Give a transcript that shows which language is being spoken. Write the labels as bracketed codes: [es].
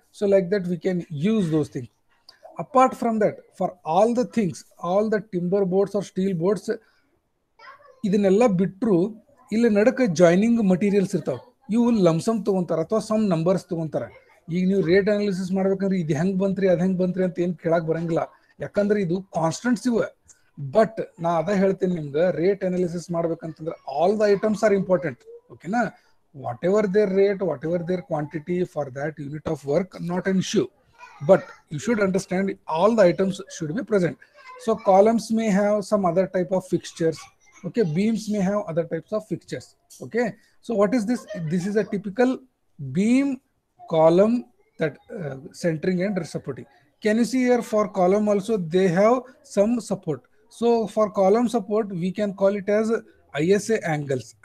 [en] So like that, we can use those things. Apart from that, for all the things, all the timber boards or steel boards, [kn] ಇದನ್ನೆಲ್ಲ ಬಿಟ್ಟರು ಇಲ್ಲಿ ನಡಕ್ಕೆ joining materials ಇರ್ತಾವೆ. ಇವು lump sum ತೊಗೊಂತಾರೆ ಅಥವಾ some numbers ತೊಗೊಂತಾರೆ. ಈಗ ನೀವು rate analysis ಮಾಡ್ಬೇಕಂದ್ರೆ ಇದು ಹೆಂಗೆ ಬಂತ್ರಿ, ಅದು ಹೆಂಗೆ ಬಂತ್ರಿ ಅಂತ ಏನು ಕೇಳಕ್ಕೆ ಬರೋಂಗಿಲ್ಲ. ಯಾಕಂದ್ರೆ ಇದು ಕಾನ್ಸ್ಟೆಂಟ್ಸ್ ಇವೆ. ಬಟ್ ನಾ ಅದೇ ಹೇಳ್ತೀನಿ ನಿಮ್ಗೆ, rate analysis ಮಾಡ್ಬೇಕಂತಂದ್ರೆ [en] All the items are important. [kn] ಓಕೆನಾ? [en] Whatever their rate, whatever their quantity for that unit of work, not an issue. But you should understand all the items should be present. So columns may have some other type of fixtures. Okay, beams may have other types of fixtures. Okay, so what is this? This is a typical beam column that centering and supporting. Can you see here for column also they have some support. So for column support, we can call it as ISA angles.